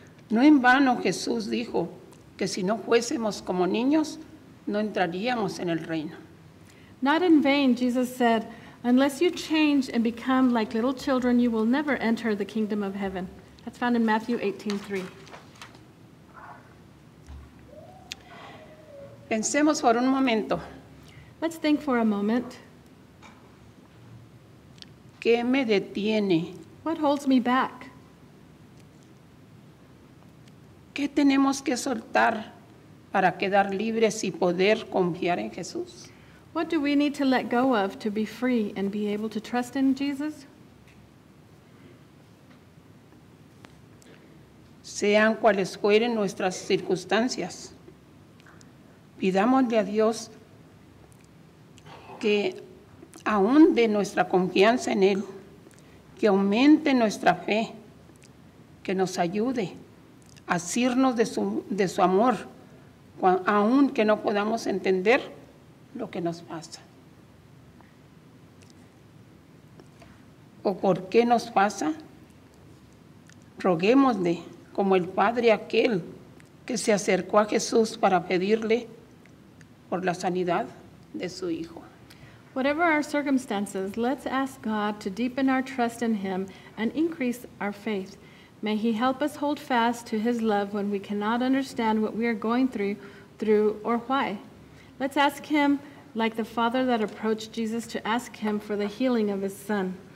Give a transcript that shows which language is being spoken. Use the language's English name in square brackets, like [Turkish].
[Spanish] No en vano Jesús dijo que si no fuésemos como niños, no entraríamos en el reino. [English] Not in vain, Jesus said, unless you change and become like little children, you will never enter the kingdom of heaven. That's found in Matthew 18:3. [Spanish] Pensemos por un momento. [English] Let's think for a moment. [Spanish] ¿Qué me detiene? [English] What holds me back? [Spanish] ¿Qué tenemos que soltar para quedar libres y poder confiar en Jesús? [English] What do we need to let go of to be free and be able to trust in Jesus? [Spanish] Sean cuales fueren nuestras circunstancias, pidámosle a Dios que aún de nuestra confianza en Él, que aumente nuestra fe, que nos ayude a asirnos de su amor, aun que no podamos entender lo que nos pasa. O por qué nos pasa, roguémosle como el padre aquel que se acercó a Jesús para pedirle por la sanidad de su hijo. [English] Whatever our circumstances, let's ask God to deepen our trust in Him and increase our faith. May He help us hold fast to His love when we cannot understand what we are going through or why. Let's ask Him like the father that approached Jesus to ask Him for the healing of his son.